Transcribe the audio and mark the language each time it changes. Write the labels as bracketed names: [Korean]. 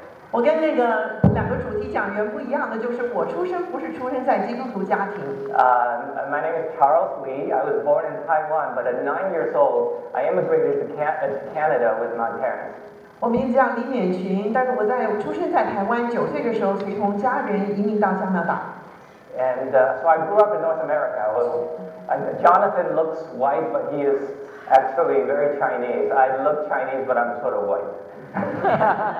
[Chinese] 我跟那个两个主题讲员不一样的，就是我出生不是出生在基督徒家庭。 [English] My name is Charles Lee. I was born in Taiwan, but at 9 years old, I immigrated to Canada with my parents. [Chinese] 我名字叫李勉群，但是我在出生在台湾，9岁的时候随同家人移民到加拿大。 [English] And so I grew up in North America. Jonathan looks white, but he is actually very Chinese. I look Chinese, but I'm sort of white.